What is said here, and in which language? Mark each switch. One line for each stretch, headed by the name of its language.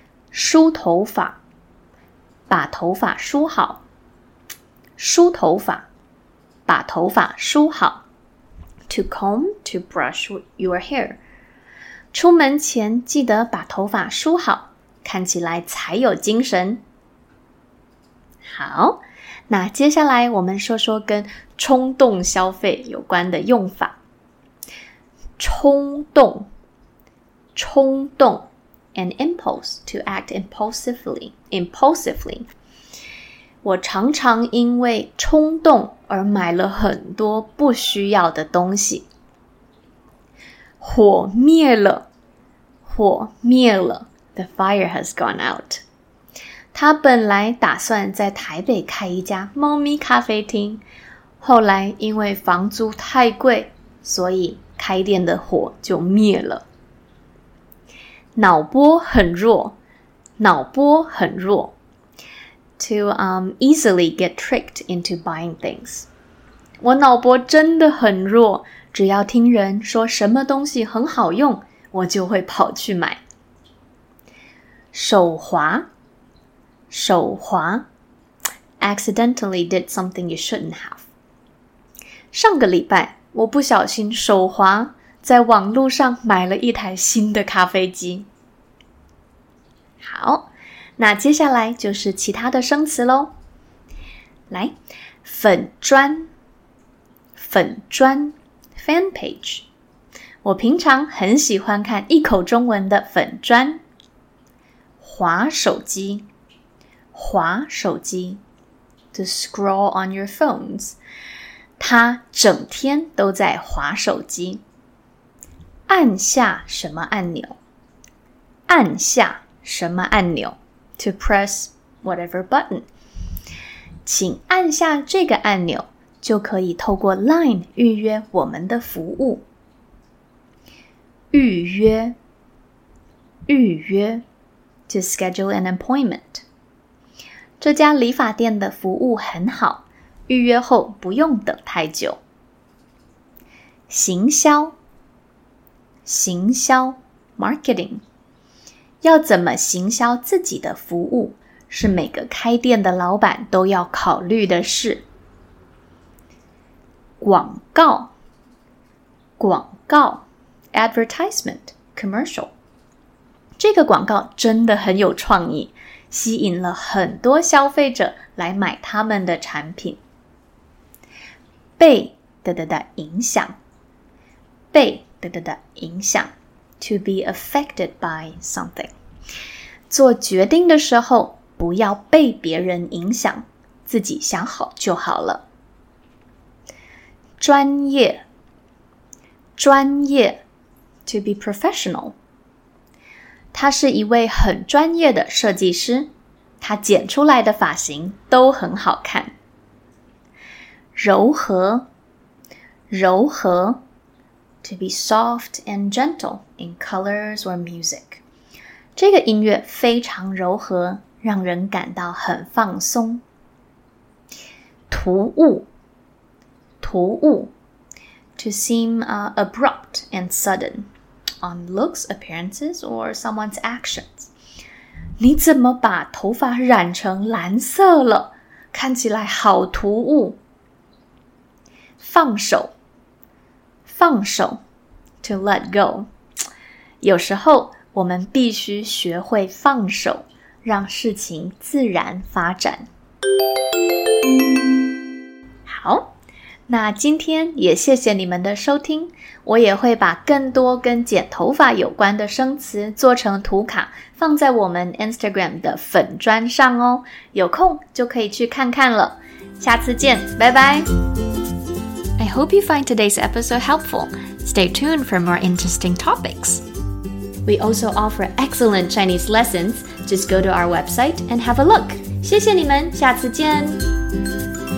Chinese: 梳头发，把头发梳好，梳头发，把头发梳好
English: to comb to brush your hair。
Chinese: 出门前记得把头发梳好，看起来才有精神。好，那接下来我们说说跟冲动消费有关的用法。
English: 冲动，冲动An impulse to act impulsively.
Chinese: 我常常因为冲动而买了很多不需要的东西。火灭了，火灭了
English: ，The fire has gone out。
Chinese: 他本来打算在台北开一家猫咪咖啡厅，后来因为房租太贵，所以开店的火就灭了。脑波很弱，脑波很弱。
English: To easily get tricked into buying things.
Chinese: 我脑波真的很弱，只要听人说什么东西很好用，我就会跑去买。手滑，手滑。
English: Accidentally did something you shouldn't have.
Chinese: 上个礼拜，我不小心手滑，在网路上买了一台新的咖啡机。好。那接下来就是其他的生词咯。来，粉砖，粉砖 ,
English: fan page。
Chinese: 我平常很喜欢看一口中文的粉砖。滑手机，滑手机
English: ,to scroll on your phones。
Chinese: 他整天都在滑手机。按下什么按钮，按下什么按钮。
English: To press whatever button.
Chinese: 请按下这个按钮，就可以透过 LINE 预约我们的服务。
English: 预约，预约 ,to schedule an appointment.
Chinese: 这家理发店的服务很好，预约后不用等太久。行销，行销 ,marketing. 要怎么行销自己的服务，是每个开店的老板都要考虑的事。广告，广告 ,
English: advertisement, commercial。
Chinese: 这个广告真的很有创意，吸引了很多消费者来买他们的产品。被的的的影响，被的的的影响 ,
English: to be affected by something。
Chinese: 做决定的时候不要被别人影响，自己想好就好了。专业，专业 ,
English: to be professional。
Chinese: 他是一位很专业的设计师，他剪出来的发型都很好看。
English: 柔和，柔和 ,to be soft and gentle in colors or music。
Chinese: 这个音乐非常柔和，让人感到很放松。
English: 突兀，突兀 ,to seem abrupt and sudden on looks, appearances, or someone's actions.
Chinese: 你怎么把头发染成蓝色了？看起来好突兀。
English: 放手，放手 ,to let go.
Chinese: 有时候我们必须学会放手，让事情自然发展。好，那今天也谢谢你们的收听，我也会把更多跟剪头发有关的生词做成图卡，放在我们 Instagram 的粉专上哦，有空就可以去看看了。下次见，拜拜。
English: I hope you find today's episode helpful. Stay tuned for more interesting topics. We also offer excellent Chinese lessons. Just go to our website and have a look.
Chinese: 谢谢你们，下次见。